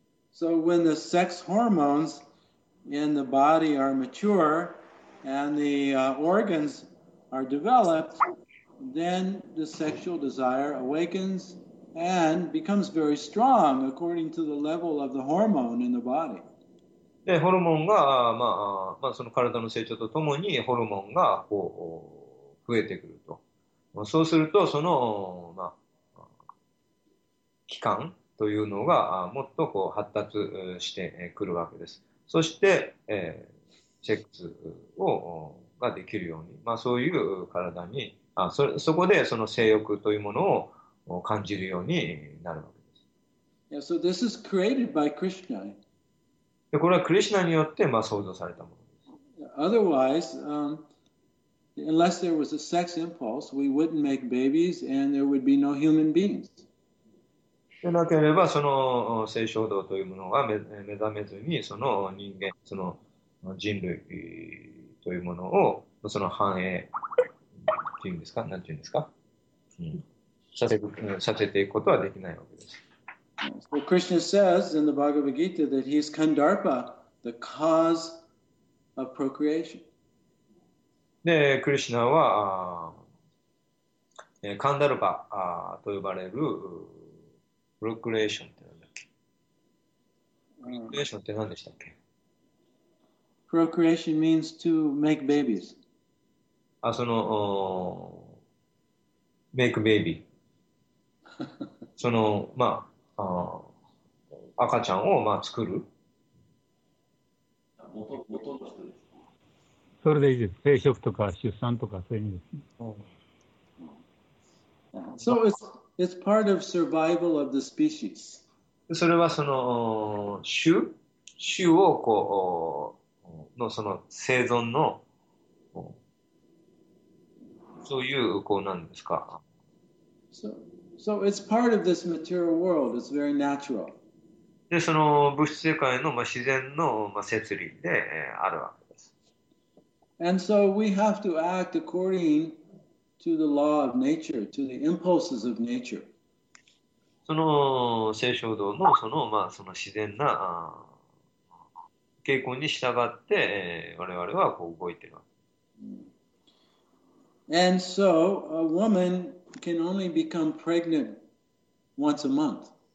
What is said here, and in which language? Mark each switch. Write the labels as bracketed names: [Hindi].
[English] So when the sex hormones in the body are mature and the organs are developed, then the sexual desire awakens and becomes very strong according to the level of the hormone in the body. [Japanese] で、ホルモンが、まあ、その体の成長とともにホルモンがこう増えてくると。そうすると、その、まあ、期間というのがもっとこう発達してくるわけです。そして、セックスをができるように、まあ、そういう体に、そこでその性欲というものを感じるようになるわけです。 [English] Yeah, so this is created by Krishna. [Japanese] で、これはクリシュナによって、まあ、創造されたものです。 [English] Otherwise, unless there was a sex impulse, we wouldn't make babies and there would be no human beings. [Japanese] でなければその性衝動というものが目覚めずにその人間その人類というものをその繁栄というんですか何て言うんですか、させていくことはできないわけです。 [English] So Krishna says in the Bhagavad Gita that he is Kandarpa, the cause of procreation. [Japanese] で、クリシナはカンダルバと呼ばれるブルクレーションって何だっけ、ブルクレーションって何でしたっけ、 [English] Procreation means to make babies. [Japanese] あ、その、 [English] make baby. [Japanese] その、まあ、あ、赤ちゃんを、まあ、作る。それでいいです。生殖とか出産とかそういう意味ですね。 [English] So it's part of survival of the species. [Japanese] それはその、種、種をこう、のその生存のそういうこうなんですか。 [English] So it's part of this material world. It's very natural. [Japanese] でその物質世界の、まあ、自然の、まあ、摂理で、あるわけです。 [English] And so we have to act according to the law of nature, to the impulses of nature. [Japanese] その聖書道のそのまあその自然な傾向に従って、我々はこう動いている。 [English] And so, a woman can only become pregnant once a month.